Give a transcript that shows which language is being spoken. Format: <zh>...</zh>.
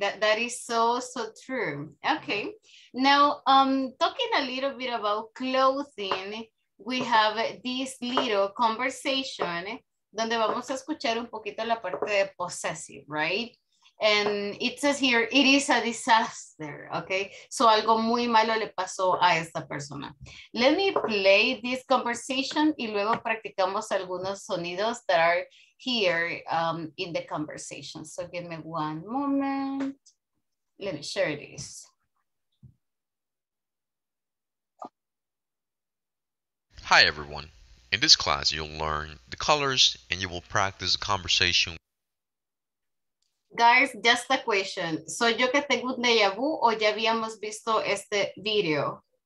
<en>That is so, so true. Okay. Now, talking a little bit about clothing, we have this little conversation</en> <es>donde vamos a escuchar un poquito la parte de</es> <en>possessive, right? And it says here, it is a disaster, okay?</en> <es>So algo muy malo le pasó a esta persona.</es> <en>Let me play this conversation</en> <es>y luego practicamos algunos sonidos</es> <en>that are here in the conversation. So give me one moment. Let me share this. Hi, everyone. In this class, you'll learn the colors and you will practice a conversation. Guys, just a question.</en> <es>¿Soy yo que tengo un déjà vu o ya habíamos visto este video?</es>